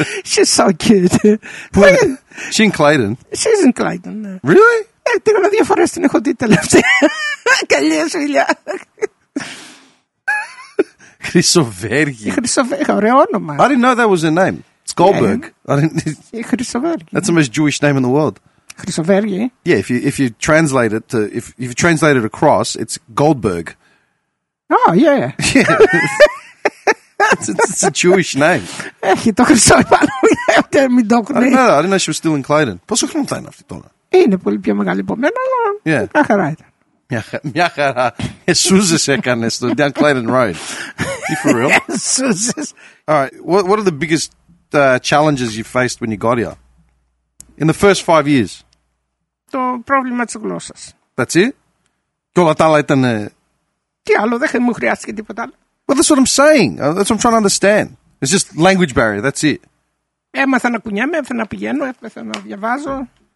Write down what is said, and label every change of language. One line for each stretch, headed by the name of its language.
English: She's so cute. She's in Clayton. She's in Clayton. Really?
Greek: Τι κάνει δύο φορές την έχω δει τελευταία. Καλή σουλιά. Χρυσοβέργη. Χρυσοβέργη, ωραίο όνομα.
English: I didn't know that was a name. It's Goldberg. Yeah. I didn't...
Greek: Χρυσοβέργη.
English: That's the most Jewish name in the world.
Greek: Χρυσοβέργη.
English: Yeah, if you translate it to, if you translate it across, it's Goldberg. Oh, yeah. Yeah. It's a Jewish name.
Greek: Έχει το χρυσό επάνω. Μην το έχουν.
English: I didn't know she was still in Clayton.
Greek: Πόσο χρόνο θα είναι αυτή τώρα? Είναι πολύ πιο μεγάλη από μένα, αλλά μια χαρά ήταν. Μια χαρά. Εσούζες έκανε στο down Clayton Road.
English: You for real?
Greek: Εσούζες.
English: All right, what are the biggest challenges you faced when you got here? In the first 5 years?
Greek: Το πρόβλημα της γλώσσας.
English: That's it?
Greek: Και όλα τα άλλα ήταν... Τι άλλο, δεν μου χρειάστηκε τίποτα άλλο.
English: Well, that's what I'm saying. That's what I'm trying to understand. It's just language barrier, that's it.
Greek: Έμαθα να κουνιέμαι, έμαθα να πηγαίνω, έμαθα να διαβάζω.